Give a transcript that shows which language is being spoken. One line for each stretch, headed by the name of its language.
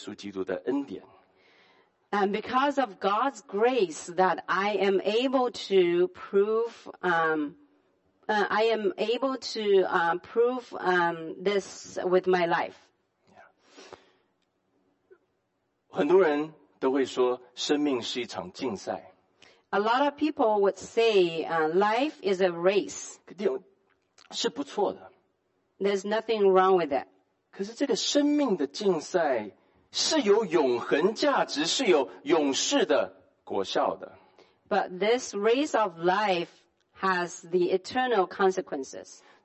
Chinese: 我生命上面能够有一个荣耀的展现，是因为主耶稣基督的恩典。And
English: because of God's grace that I am able to prove I am able to prove this with my life. Yeah.
Chinese: 很多人都会说生命是一场竞赛。
English: A lot of people would say life is a race.
Chinese: 是不错的。
English: There's nothing wrong with it.
Chinese: 可是这个生命的竞赛是有永恒价值，是有永世的果效的。
English: But this race of life has the eternal consequences.